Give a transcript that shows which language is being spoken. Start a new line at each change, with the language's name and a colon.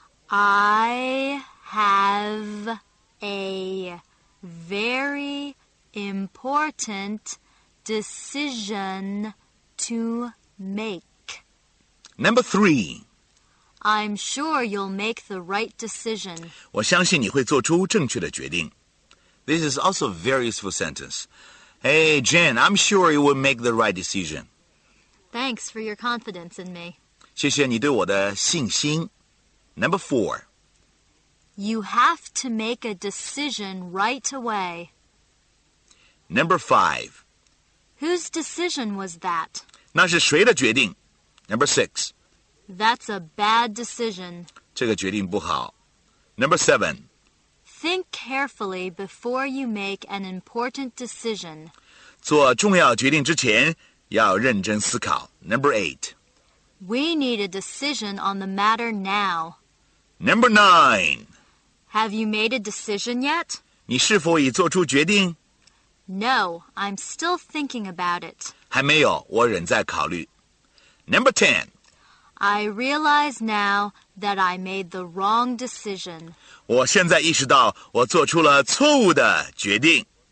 English: I have a very important decision to make. Number 3. I'm sure you'll make the right decision.
Chinese: 我相信你会做出正确的决定。
English: This is also a very useful sentence. Hey, Jen, I'm sure you will make the right decision. Thanks for your confidence in me.
Chinese: 谢谢你对我的信心。
English: Number 4. You have to make a decision right away. Number 5. Whose decision was that?
Chinese: 那是谁的决定?
English: Number 6. That's a bad decision.
Chinese: 这个决定不好。
English: Number 7. Think carefully before you make an important decision.
Chinese: 做重要决定之前要认真思考。
English: Number 8. We need a decision on the matter now. Number 9. Have you made a decision yet?
Chinese: 你是否已做出决定?
English: No, I'm still thinking about it.
Chinese: 还没有,我仍在考虑。
English: Number 10. I realize now that I made the wrong decision.
Chinese: 我现在意识到我做出了错误的决定。